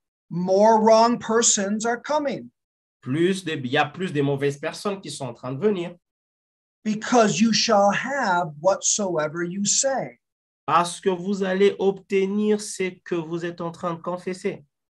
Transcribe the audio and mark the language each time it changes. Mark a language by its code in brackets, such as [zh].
[en] More wrong persons are coming. [fr] Il y a plus de mauvaises personnes qui sont en train de venir. [en] Because you shall have whatsoever you say. [fr] Parce que vous allez obtenir ce que vous êtes en train de confesser.